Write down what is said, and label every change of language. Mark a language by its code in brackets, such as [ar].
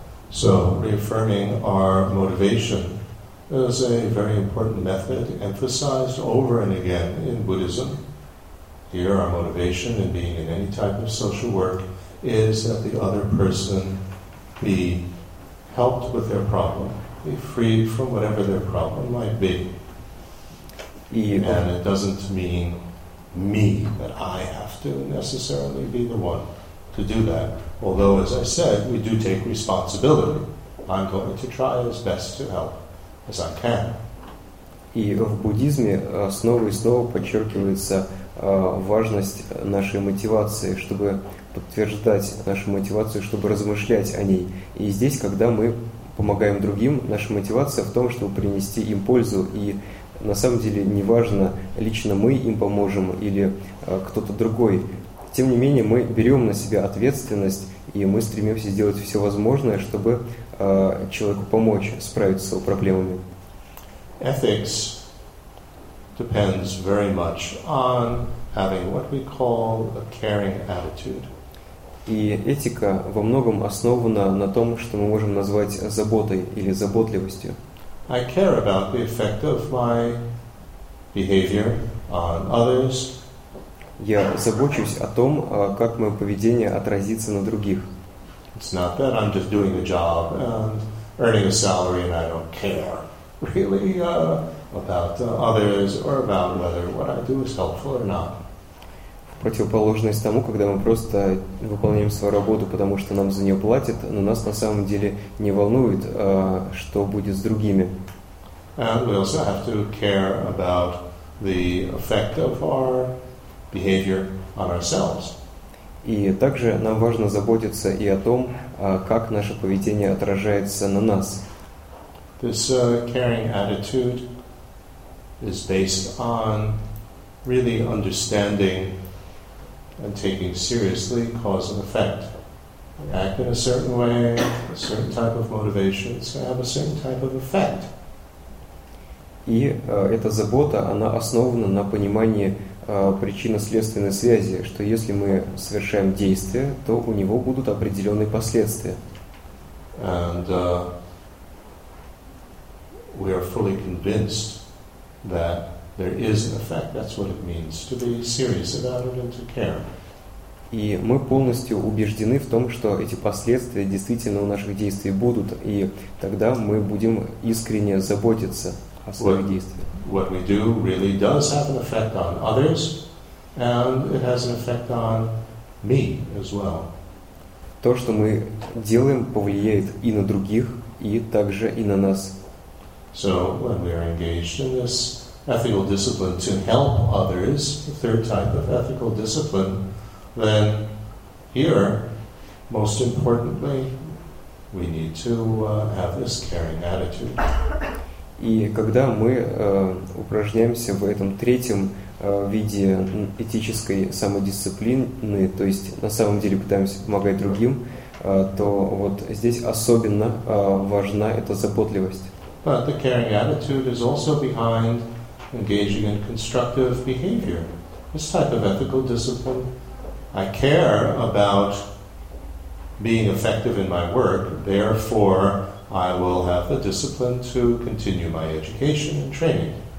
[en] So, reaffirming our motivation is a very important method emphasized over and again in Buddhism. Here our motivation in being in any type of social work is that the other person be helped with their problem, be freed from whatever their problem might be. And it doesn't mean me, that I have to necessarily be the one to do that. Although, as I said, we do take responsibility. I'm going to try as best to help. [ru] И в буддизме снова и снова подчеркивается важность нашей мотивации, чтобы подтверждать нашу мотивацию, чтобы размышлять о ней. И здесь, когда мы помогаем другим, наша мотивация в том, чтобы принести им пользу. И на самом деле неважно, лично мы им поможем или кто-то другой. Тем не менее, мы берем на себя ответственность, и мы стремимся сделать все возможное, чтобы человеку помочь справиться с его проблемами. [en] Ethics depends very much on having what we call a caring attitude. [ru] И этика во многом основана на том, что мы можем назвать заботой или заботливостью. [en] I care about the effect of my behavior on others. [ru] Я забочусь о том, как мое поведение отразится на других. [en] It's not that I'm just doing a job and earning a salary and I don't care really about others or about whether what I do is helpful or not. [ru] Противоположность тому, когда мы просто выполняем свою работу, потому что нам за нее платят, но нас на самом деле не волнует, что будет с другими. [en] And we also have to care about the effect of our behavior on ourselves. [ru] И также нам важно заботиться и о том, как наше поведение отражается на нас. [en] This caring attitude is based on really understanding and taking seriously cause and effect. We act in a certain way, a certain type of motivation, so have a certain type of effect. [ru] И эта забота, она основана на понимании причинно-следственной связи, что если мы совершаем действие, то у него будут определенные последствия. [en] And we are fully convinced that there is an effect. That's what it means to be serious about it and to care. [ru] И мы полностью убеждены в том, что эти последствия действительно у наших действий будут, и тогда мы будем искренне заботиться о своих действиях. [en] What we do really does have an effect on others, and it has an effect on me as well. [ru] То, что мы делаем, повлияет и на других, и также и на нас. [en] So when we are engaged in this ethical discipline to help others, the third type of ethical discipline, then here, most importantly, we need to have this caring attitude. [ru] И когда мы упражняемся в этом третьем виде этической самодисциплины, то есть на самом деле пытаемся помогать другим, то вот здесь особенно важна эта заботливость. [en] But the caring attitude is also behind engaging in constructive behavior. This type of ethical discipline. I care about being effective in my work, therefore I will have the discipline to continue my education and training.